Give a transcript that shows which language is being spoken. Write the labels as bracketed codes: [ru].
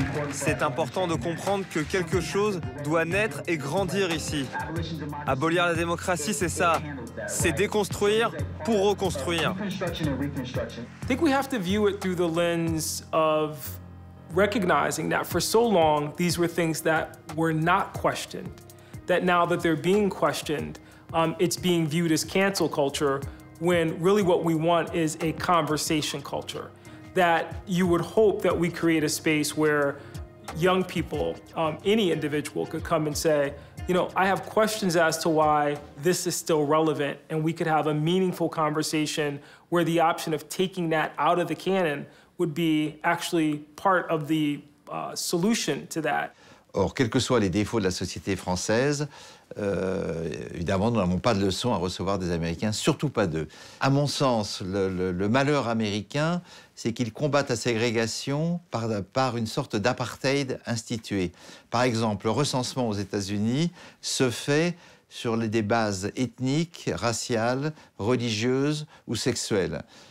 [fr] C'est important de comprendre que quelque chose doit naître et grandir ici. Abolir la démocratie, c'est ça. C'est déconstruire pour reconstruire. [en] I think we have to view it through the lens of recognizing that for so long, these were things that were not questioned. That now that they're being questioned, it's being viewed as cancel culture, when really what we want is a conversation culture. That you would hope that we create a space where young people, any individual could come and say, You know, I have questions as to why this is still relevant, and we could have a meaningful conversation where the option of taking that out of the canon would be actually part of the solution to that. [fr] Or, quels que soient les défauts de la société française, évidemment, nous n'avons pas de leçons à recevoir des Américains, surtout pas d'eux. À mon sens, le malheur américain, c'est qu'ils combattent la ségrégation par une sorte d'apartheid institué. Par exemple, le recensement aux États-Unis se fait sur des bases ethniques, raciales, religieuses ou sexuelles.